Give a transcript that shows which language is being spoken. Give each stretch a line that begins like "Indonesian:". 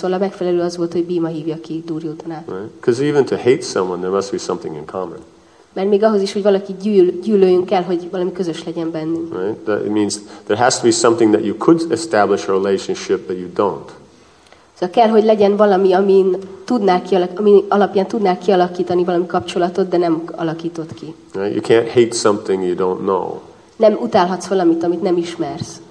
Hungarian: Szóval a megfelelő az volt, hogy Bhima hívja ki Duryodhanát.
English: Because even to hate someone, there must be something in common.
Hungarian: Mert még ahhoz is, hogy valaki gyűlöljön kell, hogy valami közös legyen bennünk.
English: Right? It means there has to be something that you could establish a relationship, but you don't.
Hungarian: Szóval kell, hogy legyen valami, ami alapján tudnál kialakítani valami kapcsolatot, de nem alakított ki.
English: Right? You can't hate something you don't know.
Hungarian: Nem utálhatsz valamit, amit nem ismersz.